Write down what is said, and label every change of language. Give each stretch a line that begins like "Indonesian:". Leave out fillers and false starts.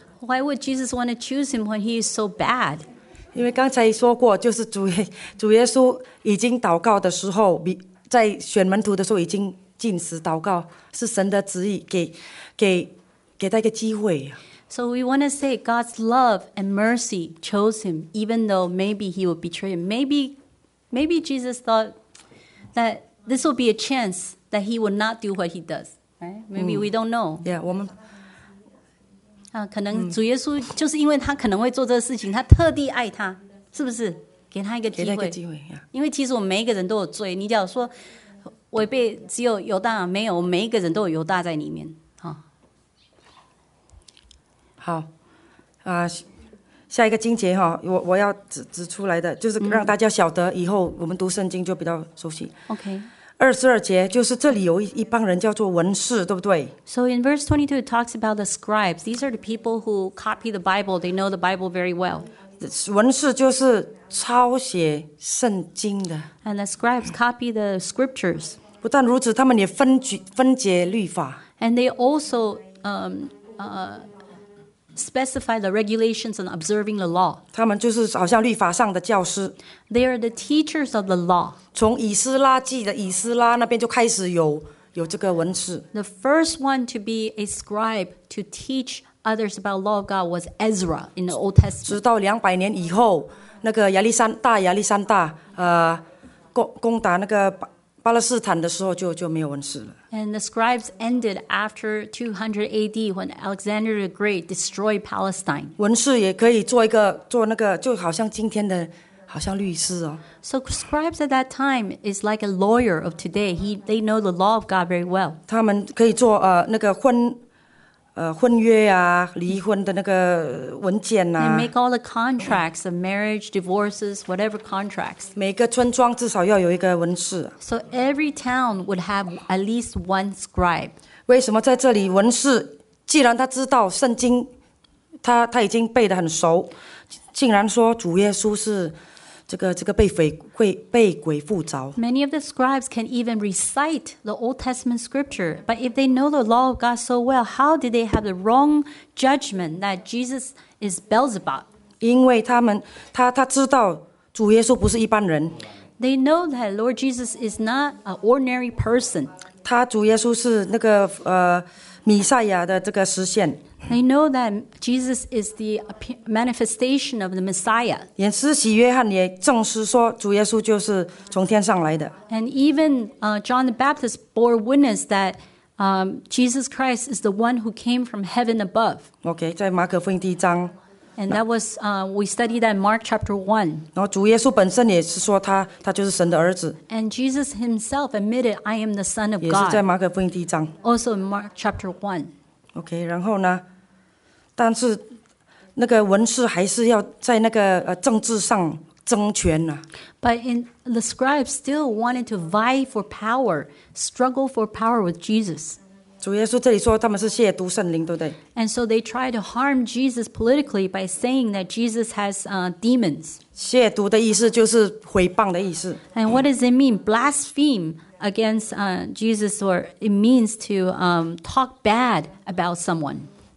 English: Why would Jesus want to choose him when he is so bad?
Chinese: 因为刚才说过，就是主耶稣已经祷告的时候，在选门徒的时候已经禁食祷告，是神的旨意，给他一个机会。
English: So we want to say God's love and mercy chose him, even though maybe he would betray him. Maybe Jesus thought that this will be a chance that he would not do what he does. Right? Maybe we don't know.
Chinese: Yeah, 我们。可能主耶稣就是因为他可能会做这个事情，他特地爱他，是不是？给他一个机会。给他一个机会。Yeah. 因为其实我们每一个人都有罪，你假如说违背只有犹大没有，我们每一个人都有犹大在里面。好，下一个经节 我要 指出来的，就是让大家晓得以后我们读圣经就比较熟悉。
English: OK。
Chinese: 二十二节就是这里有一帮人叫做文士，对不对
English: ？So in verse 22 it talks about the scribes. These are the people who copy the Bible. They know the Bible very well.
Chinese: 文士就是抄写圣经的。
English: And the scribes copy the scriptures.
Chinese: 不但如此，他们也分解律法。
English: And they also specify the regulations and observing the law.
Chinese: 他们就是好像律法上的教师。
English: They are the teachers of the law.
Chinese: 从以斯拉记的以斯拉那边就开始有这个文士。
English: The first one to be a scribe to teach others about law of God was Ezra in the Old Testament.
Chinese: 直到两百年以后，那个亚历山大攻打那个巴勒斯坦的时候就没有文士了。
English: And the scribes ended after 200 AD when Alexander the Great destroyed Palestine.
Chinese: 文士也可以做那个，就好像今天的。好像律师哦。
English: So scribes at that time is like a lawyer of today. They know the law of God very well.
Chinese: 他们可以做那个婚婚约啊，离婚的那个文件啊。
English: They make all the contracts of marriage, divorces, whatever contracts.
Chinese: 每个村庄至少要有一个文士。
English: So every town would have at least one scribe.
Chinese: 为什么在这里文士，既然他知道圣经，他已经背得很熟，竟然说主耶稣是这个被鬼附着。
English: Many of the scribes can even recite the Old Testament scripture, but if they know the law of God so well, how did they have the wrong judgment that Jesus is Beelzebub?
Chinese: 因为他知道主耶稣不是一般人。
English: They know that Lord Jesus is not an ordinary person.
Chinese: 他主耶稣是那个弥赛亚的这个实现。
English: They know that Jesus is the manifestation of the Messiah.
Chinese: 连施洗约翰也证实说主耶稣就是从天上来的。
English: And even John the Baptist bore witness that Jesus Christ is the one who came from heaven above.
Chinese: Okay, 在马可福音第一章。
English: And that was, we studied that in Mark chapter 1.
Chinese: 然后主耶稣本身也是说他就是神的儿子。
English: And Jesus himself admitted, I am the Son of God.
Chinese: 也是在马可福音第一章。
English: Also in Mark chapter 1.
Chinese: OK, 然后呢但是那个文士还是要在那个政治上争权啊。
English: But in, the scribes still wanted to vie for power, struggle for power with Jesus.
Chinese: 主耶稣这里说他们是亵渎圣灵，对不对？
English: And so they tried to harm Jesus politically by saying that Jesus has demons.
Chinese: 亵渎的意思就是毁谤的意思。
English: And what does it mean? Blaspheme. Against Jesus, or it means to talk bad about someone.